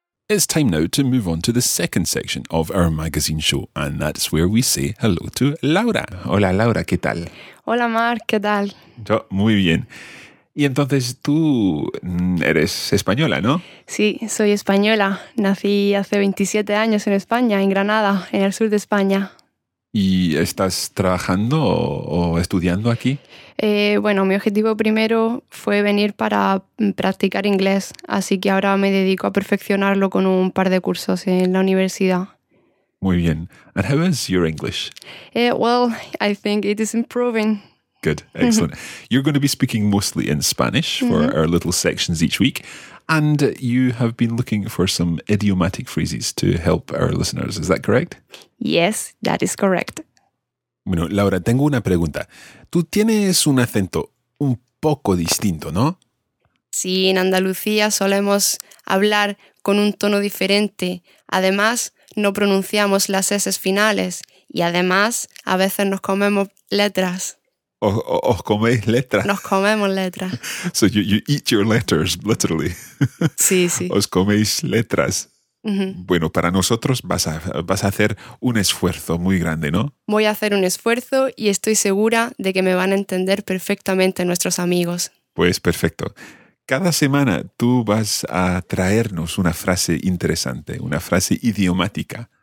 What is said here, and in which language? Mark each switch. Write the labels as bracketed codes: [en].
[en] It's time now to move on to the second section of our magazine show, and that's where we say hello to Laura. [es] Hola, Laura, ¿qué tal? Hola, Mar, ¿qué tal? Yo, muy bien. Y entonces tú eres española, ¿no? Sí, soy española. Nací hace 27 años en España, en Granada, en el sur de España. ¿Y estás trabajando o estudiando aquí? Bueno, mi objetivo primero fue venir para practicar inglés, así que ahora me dedico a perfeccionarlo con un par de cursos en la universidad. Muy bien. ¿Y cómo es tu inglés? [en] Well, I think it is improving. Good, excellent. You're going to be speaking mostly in Spanish for our little sections each week, and you have been looking for some idiomatic phrases to help our listeners. Is that correct? Yes, that is correct. [es] Bueno, Laura, tengo una pregunta. Tú tienes un acento un poco distinto, ¿no? Sí, en Andalucía solemos hablar con un tono diferente. Además, no pronunciamos las eses finales y además a veces nos comemos letras. Os coméis letras. Nos comemos letras. [en] So you eat your letters, literally. [es] Sí, sí. Os coméis letras. Bueno, para nosotros vas a hacer un esfuerzo muy grande, ¿no? Voy a hacer un esfuerzo y estoy segura de que me van a entender perfectamente nuestros amigos. Pues perfecto. Cada semana tú vas a traernos una frase interesante, una frase idiomática.